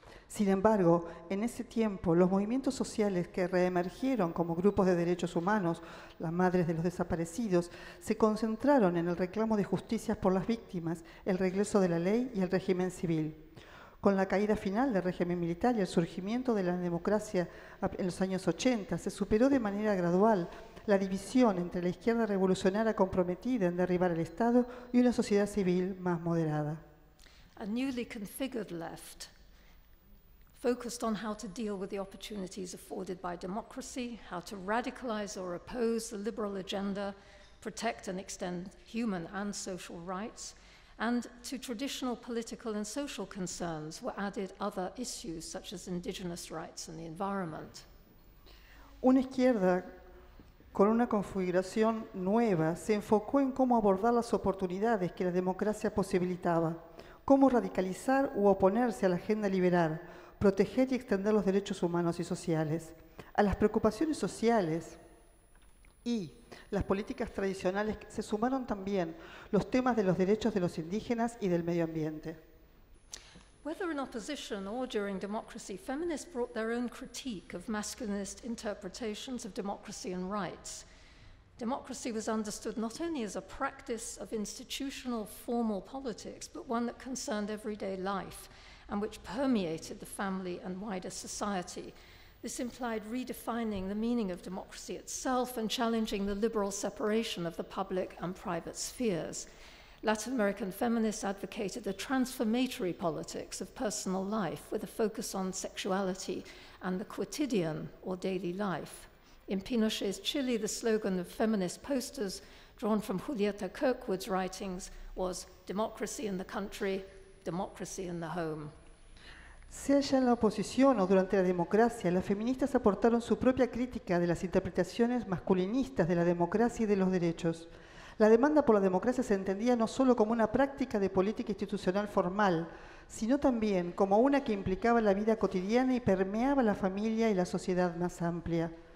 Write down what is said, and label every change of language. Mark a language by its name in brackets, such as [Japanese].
[Spanish] Sin embargo, en ese tiempo, los movimientos sociales que reemergieron como grupos de derechos humanos, las madres de los desaparecidos, se concentraron en el reclamo de justicia por las víctimas, el regreso de la ley y el régimen civil. Con la caída final del régimen militar y el surgimiento de la democracia en los años 80, se superó de manera gradual la división entre la izquierda revolucionaria comprometida en derribar el Estado y una sociedad civil más moderada. [English] A newly configured left focused on how to deal with the opportunities afforded by democracy, how to radicalize or oppose the liberal agenda, protect and extend human and social rights. And to traditional political and social concerns were added other issues such as indigenous rights and the environment. [Spanish] Una izquierda con una configuración nueva se enfocó en cómo abordar las oportunidades que la democracia posibilitaba, cómo radicalizar u oponerse a la agenda liberal, proteger y extender los derechos humanos y sociales, a las preocupaciones sociales. Y las políticas tradicionales se sumaron también los temas de los derechos de los indígenas y del medio ambiente. [English] Whether in opposition or during democracy, feminists brought their own critique of masculinist interpretations of democracy and rights. Democracy was understood not only as a practice of institutional formal politics, but one that concerned everyday life and which permeated the family and wider society. This implied redefining the meaning of democracy itself and challenging the liberal separation of the public and private spheres. Latin American feminists advocated the transformatory politics of personal life with a focus on sexuality and the quotidian or daily life. In Pinochet's Chile, the slogan of feminist posters drawn from Julieta Kirkwood's writings was democracy in the country, democracy in the home. [Spanish] Sea ya en la oposición o durante la democracia, las feministas aportaron su propia crítica de las interpretaciones masculinistas de la democracia y de los derechos. La demanda por la democracia se entendía no solo como una práctica de política institucional formal, sino también como una que implicaba la vida cotidiana y permeaba la familia y la sociedad más amplia.